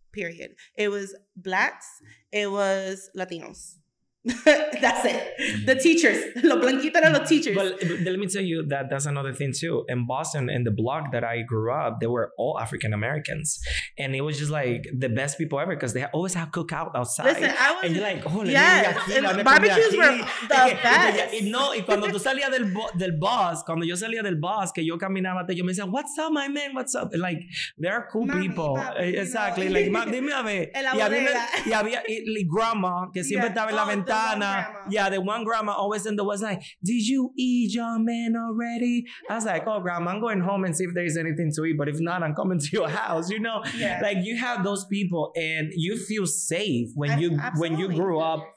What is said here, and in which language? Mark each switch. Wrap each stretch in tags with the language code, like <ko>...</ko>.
<en>Period. It was blacks. It was Latinos. That's it. The teachers.</en> <es>Los blanquitos eran los teachers.</es> <en>But let me tell you that that's another thing too. In Boston, in the block that I grew up, they were all African Americans. And it was just like the best people ever because they always have cookout outside. Listen, I was. And you're like, holy. Yes.</en> <es>Aquí,</es> <en>barbecues were the best.</en> <es>No, y cuando tú salías del bus, cuando yo salía del bus, que yo caminaba, yo me decía,</es> <en>what's up, my man? What's up? Like, they are cool people. Papi, exactly. No. Like,</en> <es>dime a ver. Y había y grandma, que siempre estaba en la ventana.</es> <en>The one grandma always in the was like, did you eat your man already? I was like, oh, grandma, I'm going home and see if there is anything to eat. But if not, I'm coming to your house. You know, like you have those people and you feel safe when when you grew up.</en>